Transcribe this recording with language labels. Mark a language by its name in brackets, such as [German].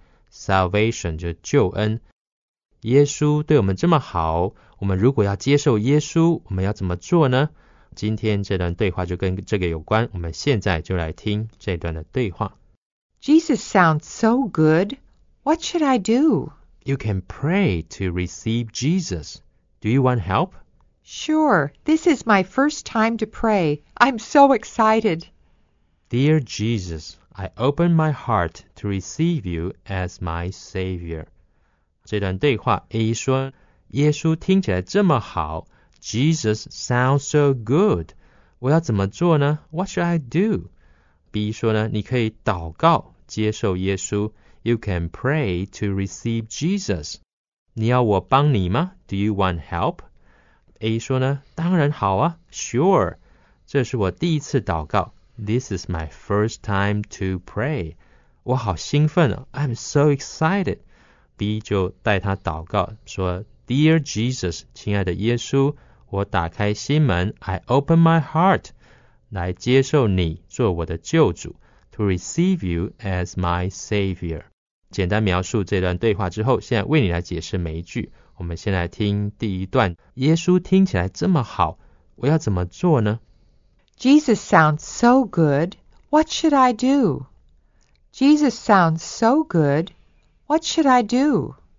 [Chinese] Salvation 就是救恩。耶稣对我们这么好，我们如果要接受耶稣，我们要怎么做呢？今天这段对话就跟这个有关，我们现在就来听这段的对话。 [English] Jesus sounds so good. What should I do? You can pray to receive Jesus. Do you want help? Sure. This is my first time to pray. I'm so excited. Dear Jesus, I open my heart to receive you as my Savior. [Chinese] 这段对话 A 说，耶稣听起来这么好。 [English] Jesus sounds so good. [Chinese] 我要怎么做呢? [English] What should I do? [Chinese] B 说呢,你可以祷告接受耶稣。 [English] You can pray to receive Jesus. [Chinese] 你要我帮你吗? [English] Do you want help? [Chinese] A 说呢,当然好啊。Sure. 这是我第一次祷告。 [English] This is my first time to pray. [Chinese] 我好兴奋啊。 [English] I'm so excited. [Chinese] B 就带他祷告说 [English] Dear Jesus, [Chinese] 亲爱的耶稣，我打开心门 , [English] I open my heart, [Chinese] 来接受你做我的救主 , [English] to receive you as my Savior. [Chinese] 简单描述这段对话之后，现在为你来解释每一句。我们先来听第一段，耶稣听起来这么好，我要怎么做呢？ [English] Jesus sounds so good, what should I do? Jesus sounds so good, what should I do?